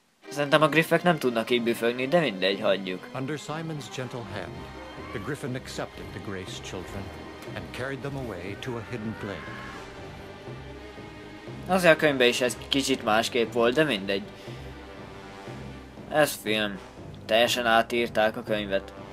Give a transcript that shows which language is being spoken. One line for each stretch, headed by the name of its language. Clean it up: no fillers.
Hungarian: Szerintem a griffek nem tudnak így büfögni, de mindegy, hagyjuk.
English: Under Simon's gentle hand, the griffin accepted the Grace children. And carried them away to a hidden place.
Hungarian: Az a könyvben is ez kicsit másképp volt, de mindegy. Ez film. Teljesen átírták a könyvet.